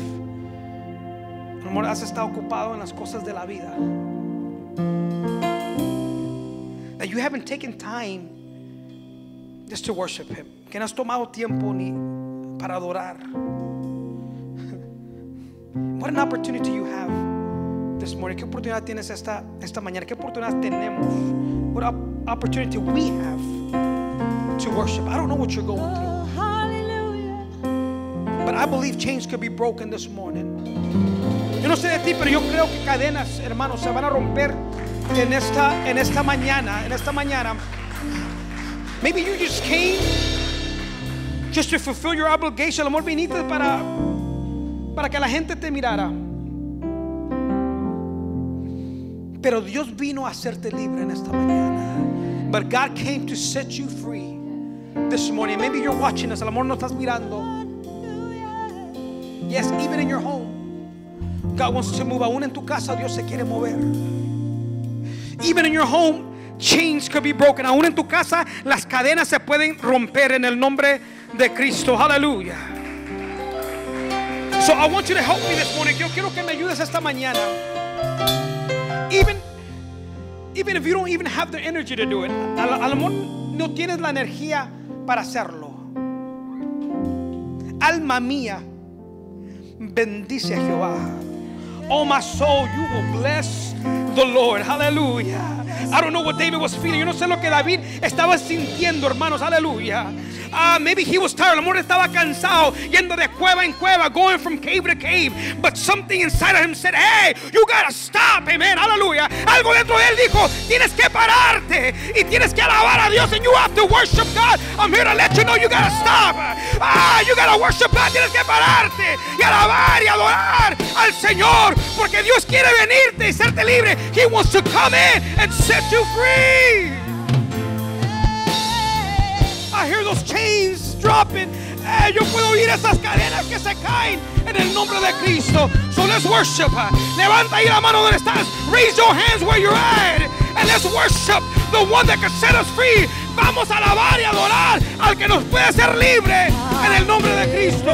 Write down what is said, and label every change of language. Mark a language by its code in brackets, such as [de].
[es] A lo mejor has estado ocupado en las cosas de la vida. [en] That you haven't taken time just to worship him. [es] Que no has tomado tiempo ni para adorar. [en] What an opportunity you have this morning. [es] ¿Qué oportunidad tienes esta mañana? ¿Qué oportunidad tenemos? [en] What opportunity we have to worship. I don't know what you're going through. Hallelujah. But I believe chains could be broken this morning. [es] Yo no sé de ti, pero yo creo que cadenas, hermanos, se van a romper en esta mañana, en esta mañana. [en] Maybe you just came just to fulfill your obligation. [es] Lo más viniste para que la gente te mirara. Pero Dios vino a hacerte libre en esta mañana. [en] But God came to set you free this morning. Maybe you're watching us. [es] A lo mejor no estás mirando. [en] Yes, even in your home, God wants to move. [es] Aún en tu casa, Dios se quiere mover. [en] Even in your home, chains could be broken. [es] Aún en tu casa, las cadenas se pueden romper en el nombre de Cristo. [en] Hallelujah. So I want you to help me this morning. [es] Yo quiero que me ayudes esta mañana. [en] Even if you don't even have the energy to do it, [es] a lo mejor no tienes la energía para hacerlo. Alma mía, bendice a Jehová. [en] Oh my soul, you will bless the Lord. Hallelujah. I don't know what David was feeling. [es] Yo no sé lo que David estaba sintiendo, hermanos. Aleluya. [en] Maybe he was tired. [es] A lo mejor estaba cansado yendo de cueva en cueva, [en] going from cave to cave. But something inside of him said, hey, you gotta stop. Amen. Aleluya. [es] Algo dentro de él dijo, tienes que pararte y tienes que alabar a Dios. [en] And you have to worship God. I'm here to let you know you gotta stop. You gotta worship God. [es] Tienes que pararte y alabar y adorar al Señor, porque Dios quiere venirte y serte libre. [en] He wants to come in and set you free. I hear those chains dropping. [es] Yo puedo oír esas cadenas que se caen en el nombre de Cristo. [en] So let's worship. [es] Levanta ahí la mano donde estás. [en] Raise your hands where you're at. And let's worship the one that can set us free. [es] Vamos a alabar y adorar al que nos puede hacer libre en el nombre de Cristo.